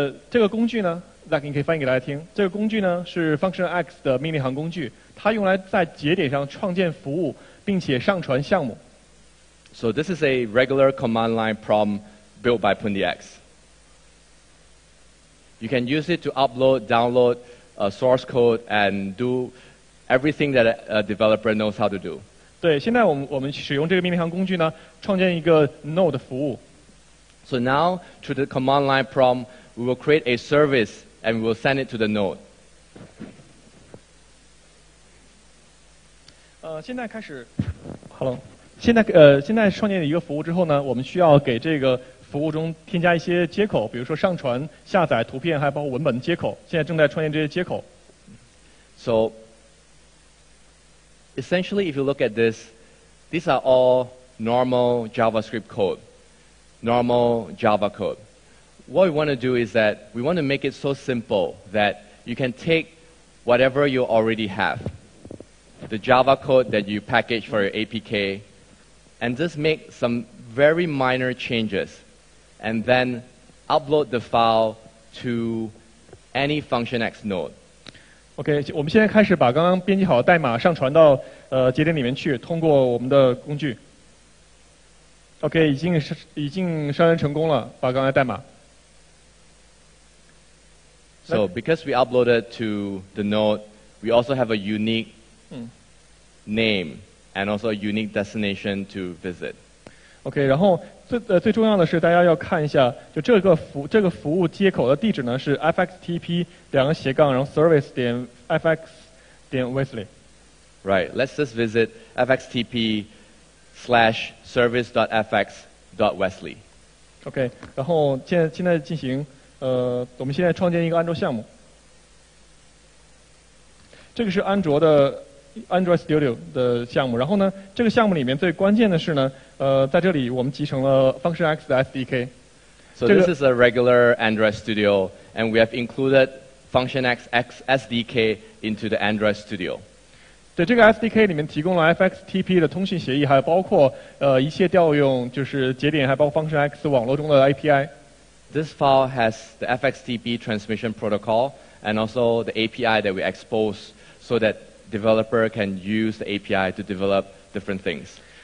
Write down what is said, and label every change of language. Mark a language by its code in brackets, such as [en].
[zh] 这个工具呢, Zach, 你可以翻译给大家听, 这个工具呢, 是FunctionX 的命令行工具, 它用来在节点上创建服务, 并且上传项目。 [en] So this is a regular command line prompt built by PundiX. You can use it to upload, download source code and do everything that a developer knows how to do. [zh] 对, 现在我们使用这个命令行工具呢, 创建一个Node服务。 [en] So now, through the command line prompt, we will create a service and we will send it to the node. [zh] 现在开始, hello. 现在创建了一个服务之后呢, 我们需要给这个服务中添加一些接口, 比如说上传, 下载, 图片, 还包括文本接口, 现在正在创建这些接口。 [en] So, essentially, if you look at this, these are all normal JavaScript code. Normal Java code. What we want to do is that we want to make it so simple that you can take whatever you already have, the Java code that you package for your APK, and just make some very minor changes, and then upload the file to any FunctionX node. [zh] Okay, 我们现在开始把刚刚编辑好的代码上传到节点里面去，通过我们的工具。 OK, 已经上传成功了,把刚才代码。 [en] So, because we uploaded to the node, we also have a unique name and also a unique destination to visit. [zh] OK， 然后最重要的是大家要看一下，就这个服务接口的地址呢是 fxtp://service.fx.wesley。 [en] Right. Let's just visit fxtp/service.fx.wesley. [zh] OK， 然后现在进行，我们现在创建一个安卓项目。这个是安卓的。 Android Studio 的项目，然后呢，这个项目里面最关键的是呢，在这里我们集成了 Function X 的 SDK. [en] So this is a regular Android Studio, and we have included Function X SDK into the Android Studio. [zh] 对，这个 SDK 里面提供了 FXTP 的通信协议，还有包括一切调用，就是节点，还包括 Function X 网络中的 API. [en] This file has the FXTP transmission protocol and also the API that we expose so that developer can use the API to develop different things.